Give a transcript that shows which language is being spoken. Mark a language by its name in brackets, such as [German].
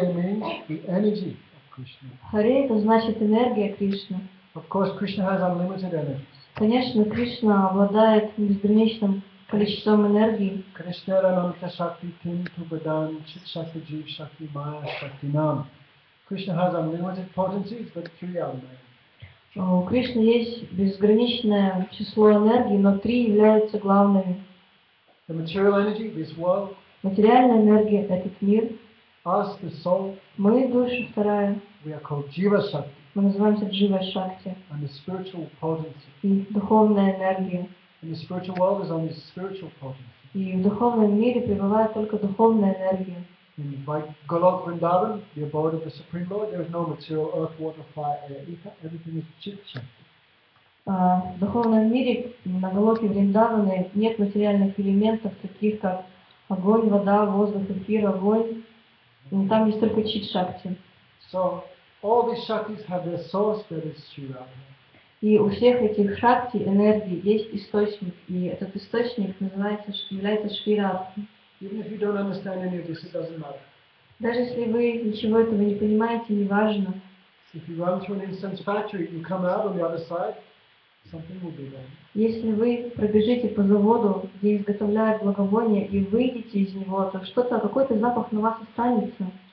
[English] Hare means the energy of Krishna. [Russian] Hare – это значит энергия Кришны. [English] Of course, Krishna has unlimited energy. [Russian] Конечно, Кришна обладает безграничным количеством энергии. [Sanskrit] Krishna Ananta Shakti, Tintu Badan, Chit Shakti, Jeev Shakti, Maya Shakti Nam. [English] Krishna has unlimited potencies, but three are main. [Russian] У Кришны есть безграничное число энергии, но три являются главными. [English] The material energy, this world. [Russian] Материальная энергия, этот мир. [English] Us, the soul. [Russian] Мы души вторая. [English] We are called Jiva Shakti. [Russian] Мы называемся Jiva Shakti. [English] And the spiritual potency. [Russian] И духовная энергия. [English] And the spiritual world is only spiritual potency. [Russian] И в духовном мире пребывает только духовная энергия. [English] In Golok Vrindavan, the abode of the Supreme Lord, there is no material earth, water, fire, air, ether. Everything is Jiva Shakti. [Russian] В духовном мире на Голоке Вриндаване нет материальных элементов, таких как огонь, вода, воздух, эфир, огонь. Но там есть только чит-шакти. [English] So, all these shaktis have their source, that is Sri Radha. [Russian] И у всех этих шакти энергии есть источник, и этот источник называется, является Шри Радха. [English] Even if you don't understand any of this, it doesn't matter. [Russian] Даже если вы ничего этого не понимаете, не важно. [English] If you run through an incense factory, you come out on the other side. Something will be done. [Russian] Если вы пробежите по заводу, где изготовляют благовония, и выйдете из него, то что-то, какой-то запах на вас останется.